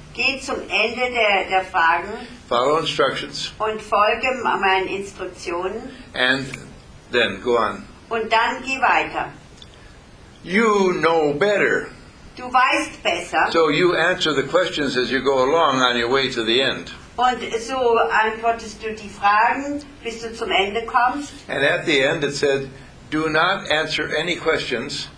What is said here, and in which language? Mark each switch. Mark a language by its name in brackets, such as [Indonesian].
[German] Geh zum Ende der Fragen. [English] Follow instructions. [German] Und folge meinen Instruktionen. [English] And then go on. [German] Und dann geh weiter. [English] You know better. [German] Du weißt besser. [English] So you answer the questions as you go along on your way to the end. [German] Und so antwortest du die Fragen, bis du zum Ende kommst. [English] And at the end it said, do not answer any questions.